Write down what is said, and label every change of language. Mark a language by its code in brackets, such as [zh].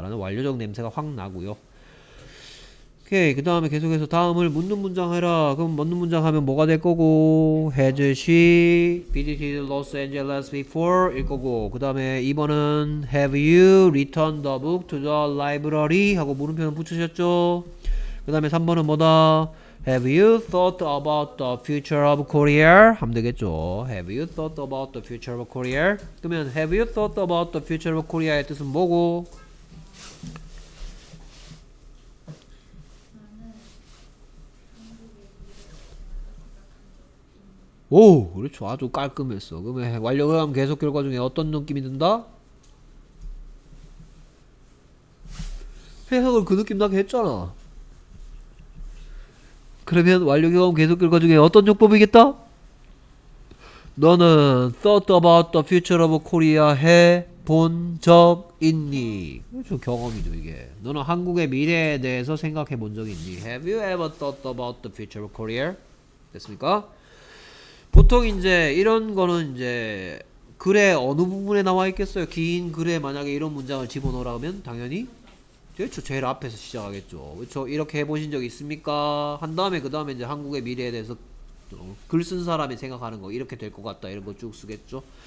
[ko] 라는 완료적 냄새가 확 나고요. 오케이, 그 다음에 계속해서 다음을 묻는 문장 해라. 그럼 묻는 문장 하면 뭐가 될 거고? [en] Has she visited Los Angeles before? [ko] 일 거고. 그 다음에 2번은 [en] Have you returned the book to the library? [ko] 하고 물음표는 붙이셨죠? 그 다음에 3번은 뭐다? [en] Have you thought about the future of Korea? [ko] 하면 되겠죠. [en] Have you thought about the future of Korea? 그러면 Have you thought about the future of Korea의 [ko] 뜻은 뭐고? 오! 그렇죠. 아주 깔끔했어. 그러면 완료감 계속 결과 중에 어떤 느낌이 든다? 해석을 그 느낌 나게 했잖아. 그러면 완료 경험 계속 결과 중에 어떤 용법이겠다? 너는 [en] thought about the future of Korea [ko] 해본 적 있니? 그렇죠. 경험이죠 이게. 너는 한국의 미래에 대해서 생각해 본 적 있니? [en] Have you ever thought about the future of Korea? [ko] 됐습니까? 보통 이제 이런 거는 이제 글의 어느 부분에 나와 있겠어요? 긴 글에 만약에 이런 문장을 집어넣으라면 당연히 그렇죠. 제일 앞에서 시작하겠죠. 그렇죠. 이렇게 해보신 적 있습니까? 한 다음에 그 다음에 이제 한국의 미래에 대해서 글 쓴 사람이 생각하는 거 이렇게 될 것 같다 이런 거 쭉 쓰겠죠.